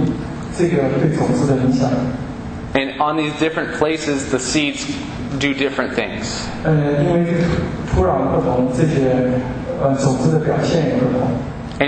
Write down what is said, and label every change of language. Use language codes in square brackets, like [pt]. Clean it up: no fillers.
[zh] 他讲到在这个种子落在不同的土地里，可能是好土，可能是荆棘丛生的，可能是石头地，这个对种子的影响。 [en] And on these different places, the seeds do different things. [zh] 因为土壤不同，这些种子的表现也不同。 [en] And